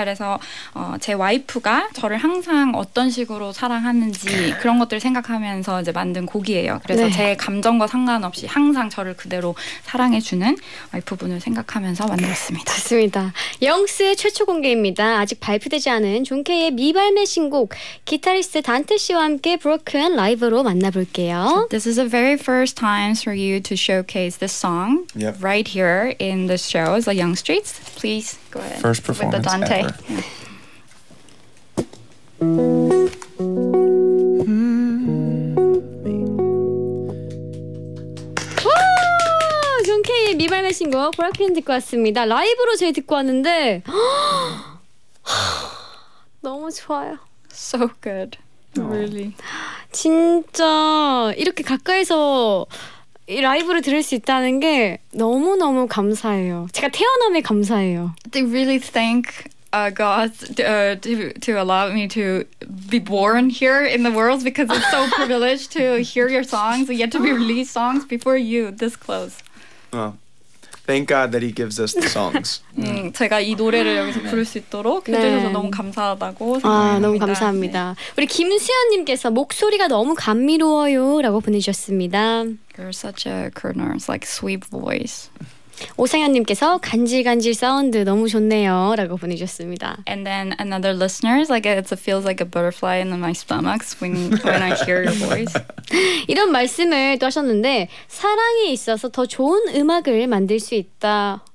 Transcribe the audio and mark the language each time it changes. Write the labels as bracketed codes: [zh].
[ko] 그래서 제 와이프가 저를 항상 어떤 식으로 사랑하는지 그런 것들 생각하면서 이제 만든 곡이에요. 그래서 네. 제 감정과 상관없이 항상 저를 그대로 사랑해주는 와이프분을 생각하면서 만들었습니다. 좋습니다. 영스의 최초 공개입니다. 아직 발표되지 않은 존케이의 미발매 신곡 기타리스트 단테 씨와 함께 Broken 라이브로 만나볼게요. [en] So this is the very first time for you to showcase this song yep. right here in the show. So young streets, please go ahead. First performance with the Dante. Ever. [ko] Wow, John K의 미발매 신곡 Broken 듣고 왔습니다. 라이브로 저희 듣고 왔는데 너무 좋아요. [en] So good, really. [ko] 진짜 이렇게 가까이서. 이 라이브를 들을 수 있다는 게 너무너무 감사해요. 제가 태어남에 감사해요. [en] I really thank God to allow me to be born here in the world because it's so privileged to hear your songs yet to be released songs before you this close. Thank God that he gives us the songs. [ko] 제가 이 노래를 여기서 부를 수 있도록 해주셔서 네. 너무 감사하다고 생각합니다. 아, 너무 감사합니다. 네. 우리 김수현님께서 목소리가 너무 감미로워요 라고 보내주셨습니다. [en] You're such a Kurner's like sweet voice. [ko] 오상현님께서 간질간질 사운드 너무 좋네요라고 보내주셨습니다. [en] And then another listener is like it feels like a butterfly in my stomach when I hear your voice. [ko] 이런 말씀을 또 하셨는데 사랑이 있어서 더 좋은 음악을 만들 수 있다.